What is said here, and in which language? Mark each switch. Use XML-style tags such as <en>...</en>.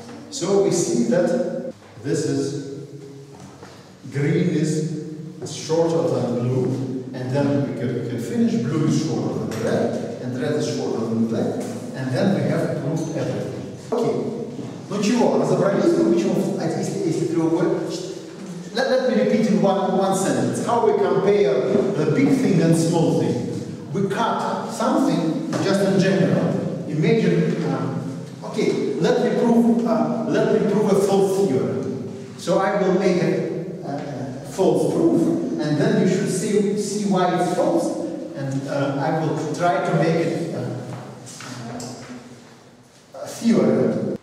<en>So we see that this is green is shorter than blue, and then we can finish. Blue is shorter than red, and red is shorter than black, and then we have proved everything.</en> <ru>Okay. Ну чего, разобрались? Ну почему, если переводить?</ru> <en>Let me repeat in one sentence. How we compare the big thing and small thing? We cut something just in general. Imagine, okay, let me prove a false theorem. So I will make a false proof, and then you should see why it's false, and I will try to make it a theorem.</en>